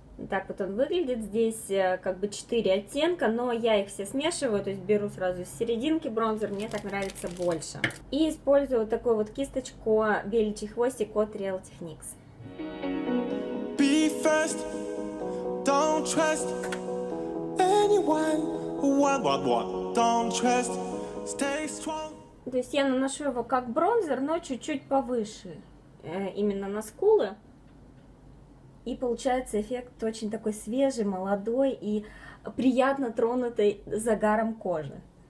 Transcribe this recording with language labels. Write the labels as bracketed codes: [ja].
[ru] Так вот он выглядит, здесь как бы 4 оттенка, но я их все смешиваю, то есть беру сразу с серединки бронзер, мне так нравится больше. И использую вот такую вот кисточку «Беличий хвостик» от Real Techniques. [en] Be fast, don't trust anyone. Don't trust, stay strong. [ru] То есть я наношу его как бронзер, но чуть-чуть повыше, именно на скулы. И получается эффект очень такой свежий, молодой и приятно тронутый загаром кожи.